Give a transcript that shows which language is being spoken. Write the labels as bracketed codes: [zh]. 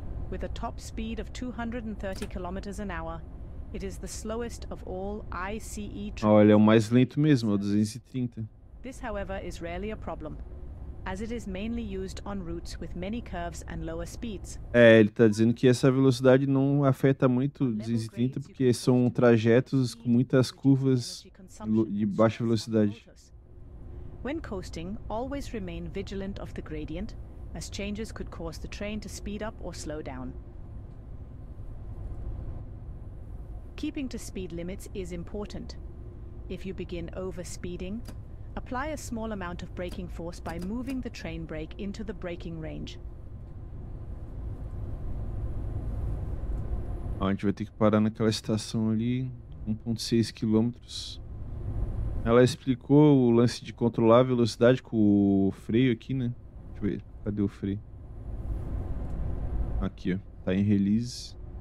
[en] With a top speed of 230 km an hour, it is the slowest of all ICE trains. [pt] Olha, é o mais lento mesmo, é o 230. [en] This, however, is rarely a problem, as it is mainly used on routes with many curves and lower speeds. [pt] É, ele tá dizendo que essa velocidade não afeta muito 230, porque são trajetos com muitas curvas de baixa velocidade. [en] When coasting, always remain vigilant of the gradient, as changes could cause the train to speed up or slow down. Keeping to speed limits is important. If you begin overspeeding, apply a small amount of braking force by moving the train brake into the braking range. [pt] A gente vai ter que parar naquela estação ali, 1,6 km. Ela explicou o lance de controlar a velocidade com o freio aqui, né? Deixa eu ver, cadê o freio? Aqui, ó, tá em release.